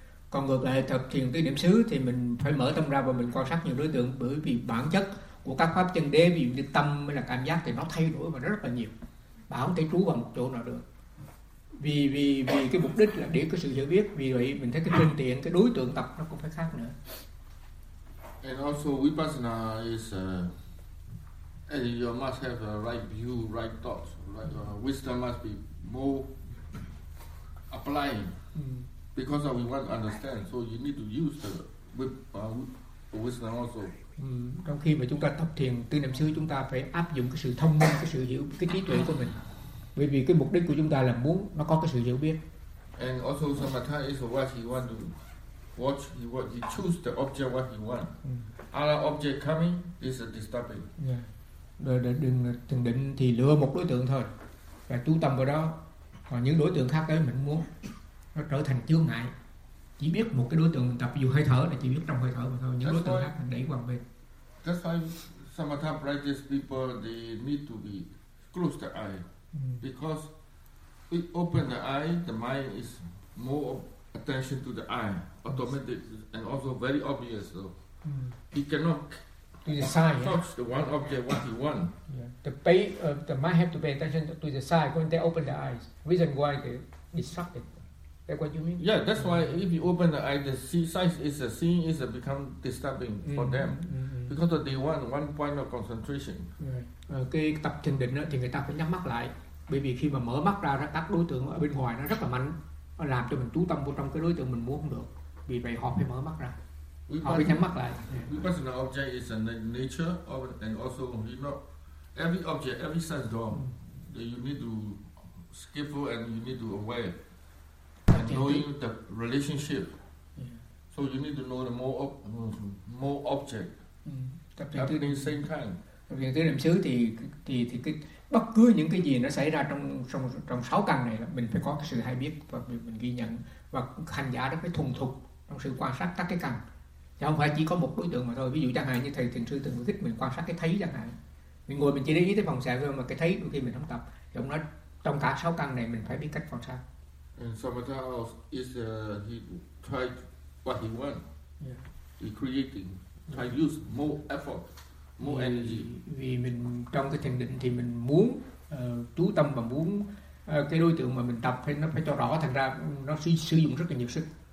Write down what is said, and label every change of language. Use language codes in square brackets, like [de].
[vi] Còn ngược lại tập thiền tứ niệm xứ thì mình phải mở tâm ra và mình quan sát nhiều đối tượng, bởi vì bản chất của các pháp chân đế, ví dụ như tâm hay là cảm giác, thì nó thay đổi và nó rất là nhiều, bảo không thể trú vào một chỗ nào được. Vì cái mục đích là để có sự hiểu biết, vì vậy mình thấy cái phương tiện, cái đối tượng tập nó cũng phải khác nữa. [en] And also vipassana is and you must have a right view, right thoughts, right wisdom must be more applying. Because we want to understand, so you need to use the wisdom also. [vi] Trong khi mà chúng ta tập thiền tứ niệm xứ, chúng ta phải áp dụng cái sự thông minh, cái sự hiểu, cái trí tuệ của mình. Bởi vì cái mục đích của chúng ta là muốn nó có cái sự hiểu biết. [en] And also samatha is what he want to watch, he choose the object what he want. Other object coming is a disturbing. Yeah. [vi] Đừng thường định thì lựa một đối tượng thôi và chú tâm vào đó, còn những đối tượng khác đấy mình muốn nó trở thành chướng ngại, chỉ biết một cái đối tượng mình tập, dù hơi thở là chỉ biết trong hơi thở mà thôi, những [en] that's [vi] đối tượng khác mình đẩy qua bên. [en] That's why samatha practice people they need to be close the eye, because we open the eye, the mind is more attention to the eye automatic and also very obvious, so he cannot to the side. The one object what he want. Yeah. The mind have to pay attention to the side when they open the eyes. Reason why they distracted. That's what you mean? Yeah, that's why if you open the eye, the see size is a seeing is a become disturbing for them. Because of they want one point of concentration. Yeah. [vi] Cái tập thiền định đó, thì người ta phải nhắm mắt lại. Bởi vì khi mà mở mắt ra, các đối tượng ở bên ngoài nó rất là mạnh, nó làm cho mình chú tâm vô trong cái đối tượng mình muốn không được. Vì vậy họ phải mở mắt ra. [en] Vipassana object is a nature of, and also you know every object, every sense door, you need to skillful and you need to aware and knowing the relationship. So you need to know the more object. Happening at the same time. [vi] Tập thiền tứ niệm xứ thì cái bất cứ những cái gì nó xảy ra trong sáu căn này là mình phải có cái sự hay biết và mình ghi nhận, và hành giả nó phải thuần thục trong sự quan sát các cái căn. chứ không phải chỉ có một đối tượng mà thôi. Ví dụ chẳng hạn như thầy thiền sư từng thích mình quan sát cái thấy chẳng hạn, mình ngồi mình chỉ để ý tới phòng xẹo thôi, mà cái thấy đôi khi mình không tập, thì ông nói trong cả sáu căn này mình phải biết cách quan sát. [en] And samatha is he try what he want, yeah. He creating, try yeah. Use more effort, more energy. [vi] Vì mình trong cái thiền định thì mình muốn chú tâm và muốn cái đối tượng mà mình tập thì nó phải cho rõ, thành ra nó sử dụng rất là nhiều sức.